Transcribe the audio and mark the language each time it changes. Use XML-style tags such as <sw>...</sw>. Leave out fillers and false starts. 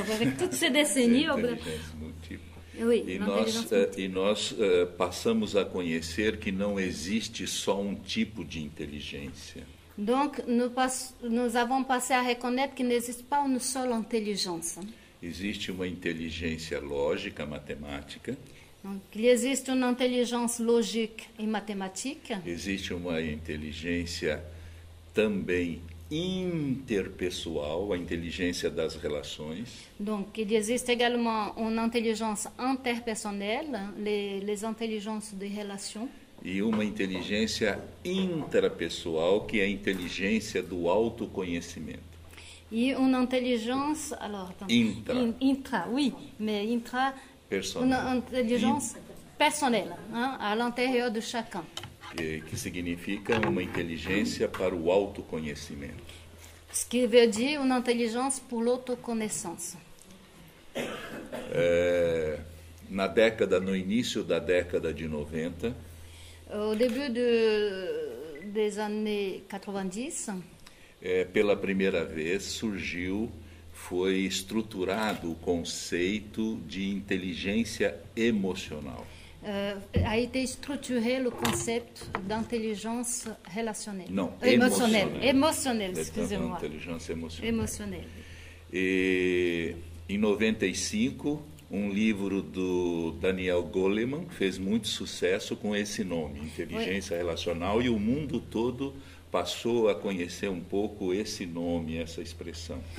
<fr>Avec toutes ces décennies. L'intelligence multiple. Oui, Et nous passons à connaître que non existe só un type d'intelligence. Donc, nous avons passé à reconnaître qu'il n'existe pas une seule intelligence.</fr> <pt>Existe uma inteligência lógica, matemática. Existe uma inteligência lógica e matemática. Existe uma inteligência também interpessoal, a inteligência das relações. Então, existe também uma inteligência interpessoal, as inteligências de relação. E uma inteligência intrapessoal, que é a inteligência do autoconhecimento. E uma inteligência, uma inteligência personal,</pt> <fr>à l'intérieur de chacun.</fr> <pt>Que significa uma inteligência para o autoconhecimento.</pt> <fr>Ce qui veut dire une intelligence pour l'autoconnaissance.</fr> <pt>No início da década de 90.</pt> <fr>Au début des années 90.</fr> <pt>Pela primeira vez surgiu foi estruturado o conceito de inteligência emocional.</pt> <fr>A été structuré le concept d'intelligence relationnelle,</fr> <pt>Não,</pt> <fr>émotionnelle,</fr> <pt>emocional.</pt> <fr>émotionnelle,</fr> <pt>Perdão,</pt> <fr>excusez-moi,</fr> <pt>inteligência emocional.</pt> <fr>émotionnelle.</fr> <pt>E em 95, um livro do Daniel Goleman fez muito sucesso com esse nome, inteligência relacional, e o mundo todo passou a conhecer um pouco esse nome, essa expressão.</pt>